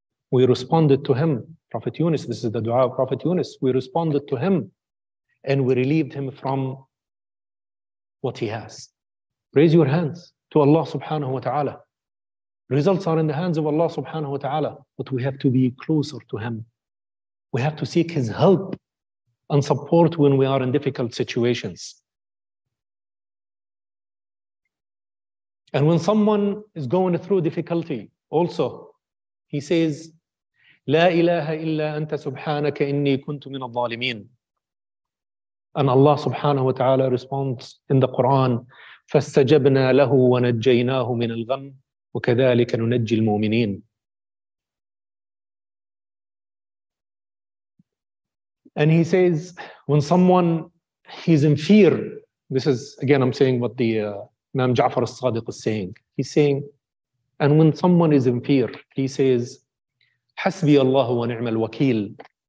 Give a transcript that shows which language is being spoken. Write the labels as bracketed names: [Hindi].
[English] We responded to him, Prophet Yunus, this is the dua of Prophet Yunus, we responded to him, and we relieved him from what he has. Raise your hands to Allah subhanahu wa ta'ala. Results are in the hands of Allah subhanahu wa ta'ala. But we have to be closer to him. We have to seek his help and support when we are in difficult situations. And when someone is going through difficulty, also, he says, [Arabic] لا إله إلا أنت سبحانك إني كنت من الظالمين. [English] And Allah subhanahu wa ta'ala responds in the Quran, [Arabic] فاستجبنا له ونجيناه من الغم وكذلك ننجي المؤمنين. [English] And he says, when someone he's in fear, this is again I'm saying what the Imam Ja'far al-Sadiq is saying. He's saying, and when someone is in fear, he says, [Arabic] حسبي الله ونعم الوكيل.